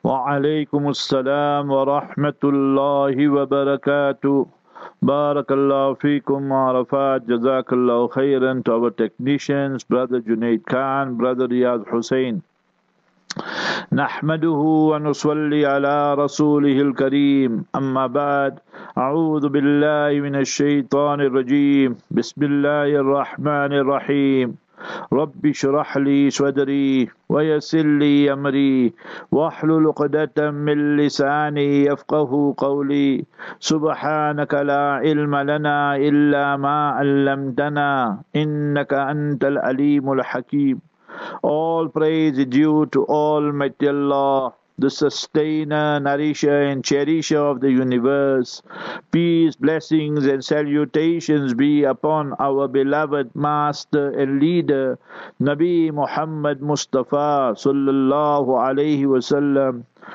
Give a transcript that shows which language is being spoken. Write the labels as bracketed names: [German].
[Arabic] وعليكم السلام ورحمة الله وبركاته. بارك الله فيكم عرفات جزاك الله خيرا [English] to our technicians brother Junaid Khan, brother Riyad Hussain. [Arabic] نحمده ونصلي على رسوله الكريم أما بعد أعوذ بالله من الشيطان الرجيم بسم الله الرحمن الرحيم رب اشرح لي صدري ويسر لي أمري واحلل عقدة من لساني يفقه قولي سبحانك لا علم لنا إلا ما علمتنا إنك أنت العليم الحكيم. [English] All praise is due to Almighty Allah, the sustainer, nourisher and cherisher of the universe. Peace, blessings and salutations be upon our beloved master and leader, Nabi Muhammad Mustafa sallallahu alayhi wa sallam.